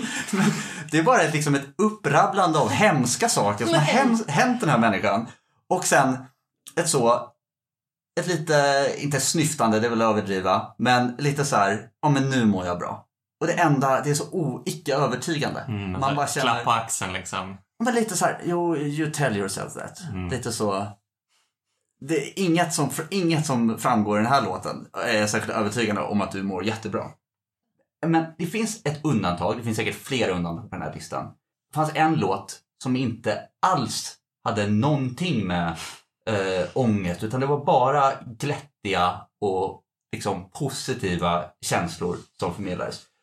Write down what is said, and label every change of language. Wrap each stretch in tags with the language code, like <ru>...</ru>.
<sv>Men det är bara liksom ett upprabblande av hemska saker som har hänt den här människan. Och sen ett lite, inte snyftande, det vill jag överdriva, men lite så här, ja men nu mår jag bra. Och det enda, det är så icke-övertygande. Man bara känner, klapp på axeln liksom. Men lite så här,</sv> <en>you tell yourself that.</en> <sv>Mm. Lite så. Det är inget som framgår i den här låten är säkert övertygande om att du mår jättebra. Men det finns ett undantag, det finns säkert flera undantag på den här listan. Det fanns en låt som inte alls hade någonting med ångest, utan det var bara glättiga och liksom positiva känslor som förmedlades.</sv>